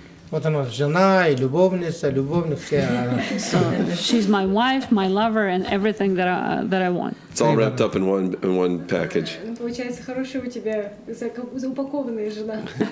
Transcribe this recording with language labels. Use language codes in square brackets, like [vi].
[ru] Вот она, жена и любовница, любовник, все. [en] So she's my wife, my lover, and everything that I want. It's all wrapped up in one package. [ru] Получается, хорошая у тебя заупакованная жена.